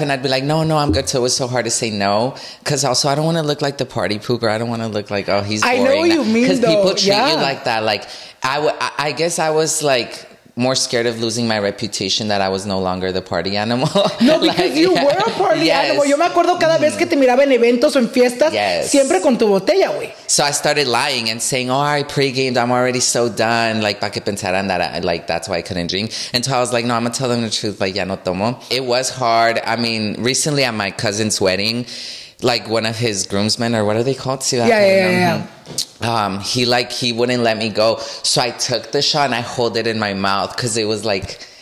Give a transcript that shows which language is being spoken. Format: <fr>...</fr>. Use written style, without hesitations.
<en>And I'd be like, no, I'm good. So it was so hard to say no. Cause also I don't want to look like the party pooper. I don't want to look like, oh, he's boring. I know what you mean Cause people treat you like that. Like, I guess I was like more scared of losing my reputation that I was no longer the party animal. No, because like, you were a party animal.</en> <es>Yo me acuerdo cada vez que te miraba en eventos o en fiestas, siempre con tu botella, güey.</es> <en>So I started lying and saying, oh, I pre-gamed, I'm already so done. Like,</en> <es>para que pensaran</es> <en>that, like, that's why I couldn't drink. And so I was like, no, I'm going to tell them the truth. Like,</en> <es>ya no tomo.</es> <en>It was hard. I mean, recently at my cousin's wedding, like one of his groomsmen or what are they called? He wouldn't let me go. So I took the shot and I hold it in my mouth because it was like,</en>